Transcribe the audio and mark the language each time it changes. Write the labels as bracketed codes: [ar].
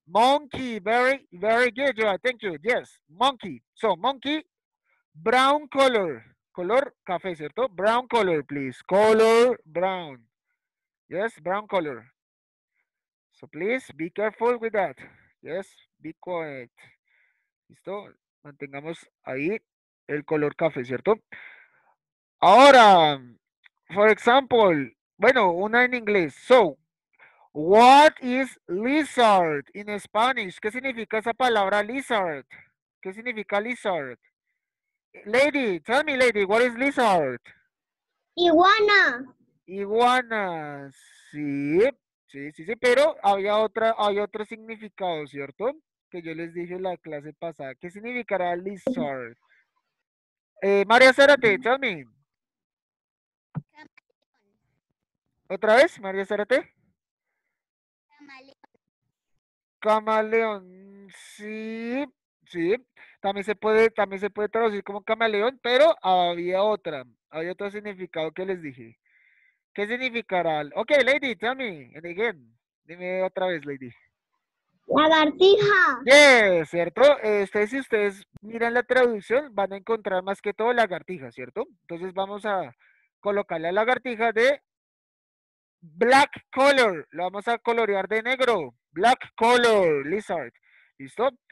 [en] Monkey, very, very good, Joad. Thank you. Yes, monkey. So, monkey, brown color. [es] Color café, ¿cierto? [en] Brown color, please. Color brown. Yes, brown color. So, please, be careful with that. Yes, be quiet. ¿Listo? [es] Mantengamos ahí el color café, ¿cierto? Ahora, [en] for example, [es] bueno, una en inglés. [en] So, what is lizard in Spanish? [es] ¿Qué significa esa palabra lizard? ¿Qué significa lizard? [en] Lady, tell me, lady, what is lizard? [es] Iguana. Iguana, sí. Sí, sí, sí, pero había otra, hay otro significado, ¿cierto? Que yo les dije en la clase pasada. ¿Qué significará lizard? [en] María Zárate, tell me. [es] ¿Otra vez, María Zárate? Camaleón. Camaleón, sí, sí. También se puede traducir como camaleón, pero había otro significado que les dije. ¿Qué significará? [en] Ok, lady, tell me, and again. [es] Dime otra vez, lady. Lagartija. [en] Yes, ¿cierto? [es] Si ustedes miran la traducción, van a encontrar más que todo lagartija, ¿cierto? Entonces vamos a colocarle a lagartija de... [en] Black color, [es] lo vamos a colorear de negro. [en] Black color, lizard. ¿Listo?